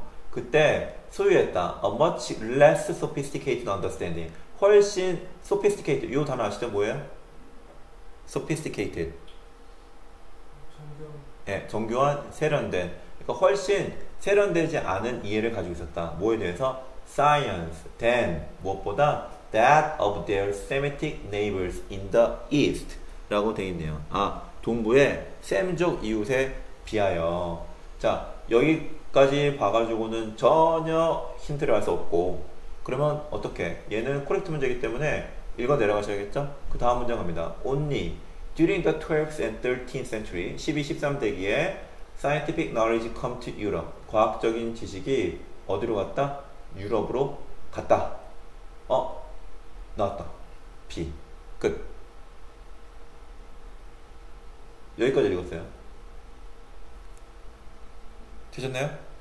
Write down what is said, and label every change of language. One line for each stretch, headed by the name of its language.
Korean: 그때 소유했다.
English: A much less sophisticated understanding.
Korean: 훨씬 sophisticated. 이 단어 아시죠? 뭐예요? sophisticated. 예, 정교한, 세련된. 그러니까 훨씬 세련되지 않은 이해를 가지고 있었다. 뭐에 대해서? science. than. 무엇보다?
English: that of their Semitic neighbors in the east.
Korean: 라고 되어 있네요. 아, 동부의 셈족 이웃에 비하여. 자, 여기까지 봐가지고는 전혀 힌트를 알 수 없고. 그러면 어떻게? 얘는 코렉트 문제이기 때문에 읽어 내려가셔야겠죠? 그 다음 문장 갑니다. only.
English: During the 12th and 13th century, 12,
Korean: 13대기에
English: scientific knowledge come to Europe.
Korean: 과학적인 지식이 어디로 갔다? 유럽으로 갔다. 어? 나왔다. B. 끝. 여기까지 읽었어요. 되셨나요?